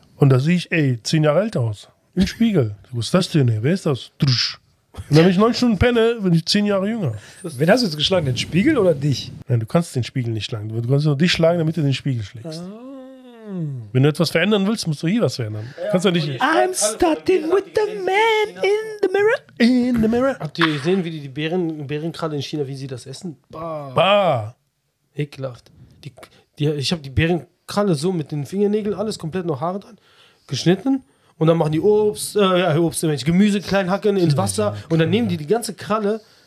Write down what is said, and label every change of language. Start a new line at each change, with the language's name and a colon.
German: Und da sehe ich, ey, 10 Jahre älter aus. Im Spiegel. Was ist das denn, ey? Wer ist das? Drusch. Und wenn ich 9 Stunden penne, bin ich 10 Jahre jünger. Wen hast du jetzt geschlagen? Den Spiegel oder dich? Nein, du kannst den Spiegel nicht schlagen. Du kannst nur dich schlagen, damit du den Spiegel schlägst. Oh. Wenn du etwas verändern willst, musst du hier was verändern. Ja, kannst du nicht.
English: I'm starting with the man in the mirror. In the mirror.
German: Habt ihr gesehen, wie die Bären gerade in China, wie sie das essen? Bah. Ekelhaft. Ich habe die Bärenkralle so mit den Fingernägeln, alles komplett noch Haare dran, geschnitten. Und dann machen die Gemüse klein hacken ins Wasser und dann nehmen die ganze Kralle,